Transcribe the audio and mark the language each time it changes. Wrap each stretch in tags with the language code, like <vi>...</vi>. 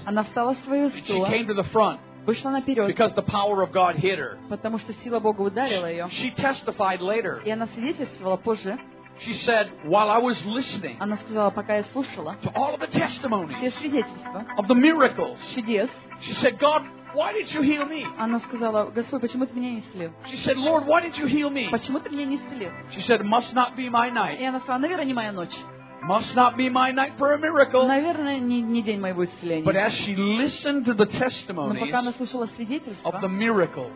<ru>Она встала с своего стула.</ru> <en>She came to the front.</en> <ru>Вышла наперед.</ru> <en>Because the power of God hit her.</en> <ru>Потому что сила Бога ударила ее.</ru> <en>She testified later.</en> <ru>И она свидетельствовала позже.</ru> <en>She said, while I was listening.</en> <ru>Она сказала, пока я слушала.</ru> <en>To all of the testimonies.</en> <ru>Все свидетельства.</ru> <en>Of the miracles.</en> <ru>Чудес.</ru> <en>She said, God, why did you heal me?</en> <ru>Она сказала, Господь, почему ты меня не исцелил?</ru> <en>She said, Lord, why did you heal me?</en> <ru>Почему ты меня не исцелил?</ru> <en>She said, must not be my night.</en> <ru>И она сказала, наверное, не моя ночь.</ru> <en>Must not be my night for a miracle.</en> <ru>Наверное, не день моего исцеления.</ru> <en>But as she listened to the testimonies of the miracles,</en>